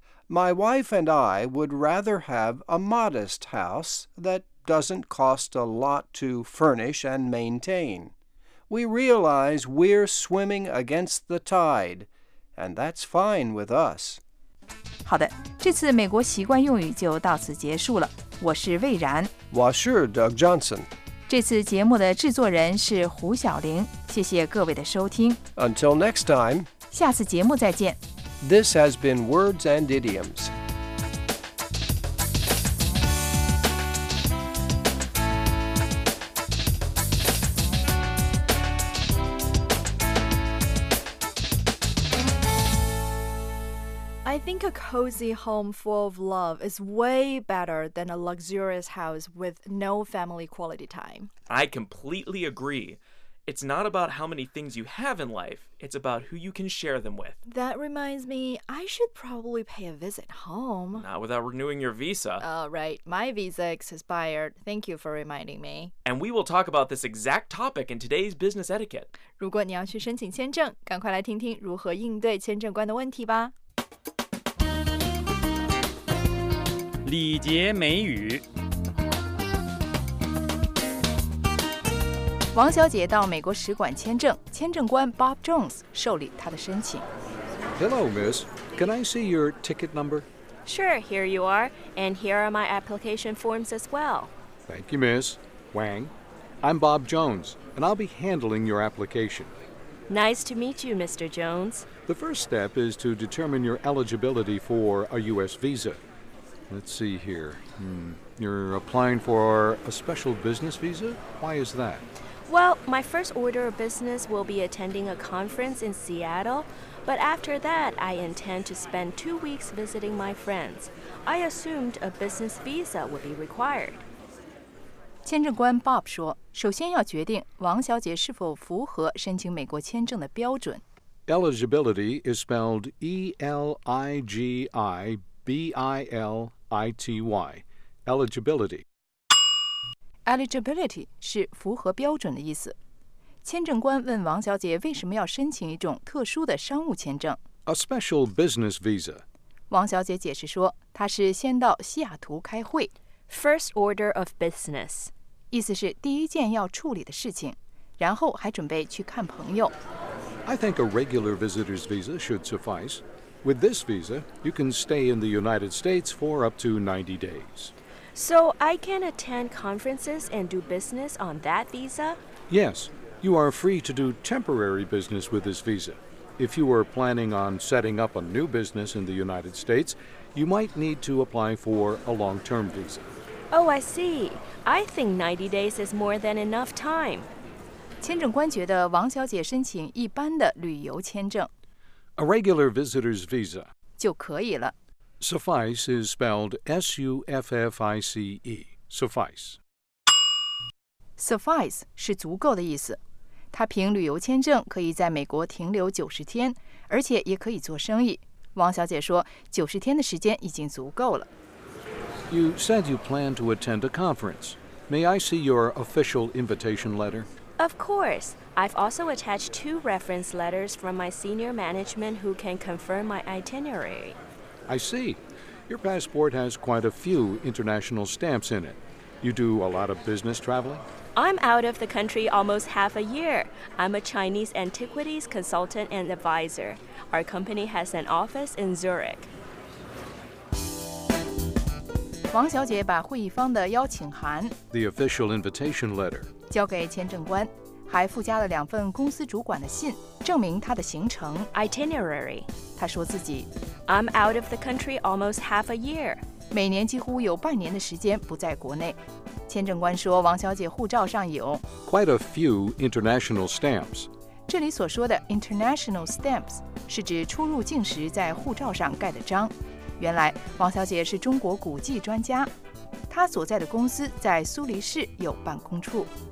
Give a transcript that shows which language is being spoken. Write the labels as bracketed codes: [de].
[en] My wife and I would rather have a modest house that doesn't cost a lot to furnish and maintain. We realize we're swimming against the tide, and that's fine with us. [zh] 好的，这次美国习惯用语就到此结束了。我是魏然。我是 Doug Johnson。这次节目的制作人是胡晓玲。谢谢各位的收听。 [en] Until next time. [zh] 下次节目再见。 [en] This has been Words and Idioms. I think a cozy home full of love is way better than a luxurious house with no family quality time. I completely agree. It's not about how many things you have in life. It's about who you can share them with. That reminds me, I should probably pay a visit home. Not without renewing your visa. Oh, right. My visa expired. Thank you for reminding me. And we will talk about this exact topic in today's business etiquette. [zh] 如果你要去申请签证，赶快来听听如何应对签证官的问题吧。礼节美语。王小姐到美国使馆签证，签证官 Bob Jones 受理她的申请。 [en] Hello, miss. Can I see your ticket number? Sure, here you are. And here are my application forms as well. Thank you, miss. Wang, I'm Bob Jones, and I'll be handling your application. Nice to meet you, Mr. Jones. The first step is to determine your eligibility for a U.S. visa. Let's see here. You're applying for a special business visa? Why is that? Well, my first order of business will be attending a conference in Seattle, but after that, I intend to spend 2 weeks visiting my friends. I assumed a business visa would be required. [zh] 签证官 Bob 说，首先要决定王小姐是否符合申请美国签证的标准。 [en] Eligibility is spelled E-L-I-G-I-B-I-L-I-T-Y. Eligibility. [zh] Eligibility 是符合标准的意思。签证官问王小姐为什么要申请一种特殊的商务签证。 [en] A special business visa. [zh] 王小姐解释说，她是先到西雅图开会。 [en] First order of business. [zh] 意思是第一件要处理的事情，然后还准备去看朋友。 [en] I think a regular visitor's visa should suffice. With this visa, you can stay in the United States for up to 90 days. So I can attend conferences and do business on that visa? Yes, you are free to do temporary business with this visa. If you were planning on setting up a new business in the United States, you might need to apply for a long-term visa. Oh, I see. I think 90 days is more than enough time. [zh] 签证官觉得王小姐申请一般的旅游签证。 [en] A regular visitor's visa. [zh] 就可以了。 [en] Suffice is spelled S-U-F-F-I-C-E. Suffice. [zh] Suffice 是足够的意思。他凭旅游签证可以在美国停留90天，而且也可以做生意。王小姐说，90天的时间已经足够了。 [en] You said you plan to attend a conference. May I see your official invitation letter? Of course. I've also attached 2 reference letters from my senior management who can confirm my itinerary. I see. Your passport has quite a few international stamps in it. You do a lot of business traveling? I'm out of the country almost half a year. I'm a Chinese antiquities consultant and advisor. Our company has an office in Zurich. [zh] 王小姐把会议方的邀请函 [en] The official invitation letter [zh] 交给签证官，还附加了2份公司主管的信，证明她的行程 [en] Itinerary. [zh] 她说自己 [en] I'm out of the country almost half a year. [zh] 每年几乎有半年的时间不在国内。签证官说，王小姐护照上有 [en] quite a few international stamps. [zh] 这里所说的 international stamps 是指出入境时在护照上盖的章。原来王小姐是中国古迹专家，她所在的公司在苏黎世有办公处。